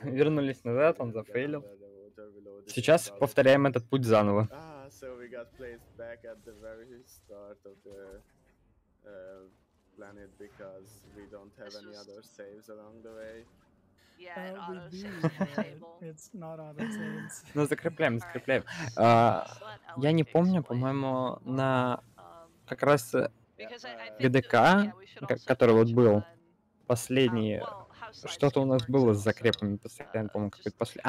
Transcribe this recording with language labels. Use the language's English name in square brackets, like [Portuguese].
[Russian] Вернулись назад, он зафейлил. Сейчас повторяем этот путь заново. [English] So we got placed back at the very start of the... planet because we don't have any other saves along the way. Yeah, it auto-saves on the table. It's not auto-saves. [Russian] Ну, закрепляем, закрепляем. Я не помню, по-моему, на как раз ГДК, который вот был последний, что-то у нас было с закрепами постоянно, по-моему, какой-то последний.